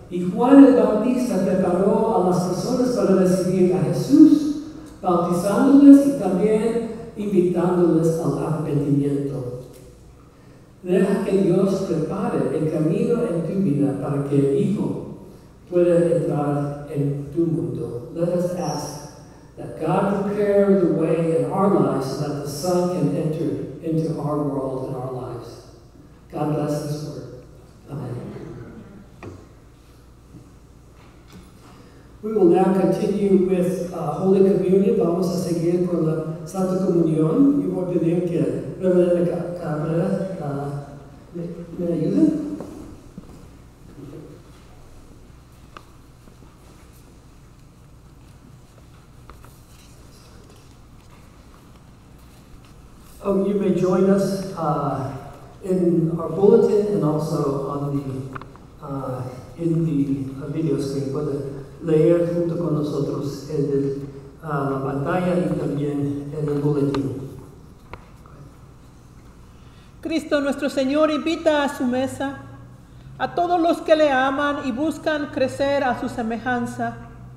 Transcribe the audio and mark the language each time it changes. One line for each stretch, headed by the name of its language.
Spanish: Y Juan el Bautista preparó a las personas para recibir a Jesús, bautizándoles y también invitándoles al arrepentimiento. Deja que Dios prepare el camino en tu vida para que el Hijo pueda entrar en tu mundo.
English: Let us ask that God prepared the way in our lives so that the Son can enter into our world and our lives. God bless this word. Amen. We will now continue with Holy Communion.
Spanish: Vamos a seguir con la Santa Comunión. Y voy a pedir que Reverenda Cabrera me ayude.
English: Oh, you may join us in our bulletin and also on the in the video screen.
Spanish: Puede leer junto con nosotros en el, la pantalla y también en el bulletin. Cristo nuestro Señor invita a su mesa a todos los que le aman y buscan crecer a su semejanza.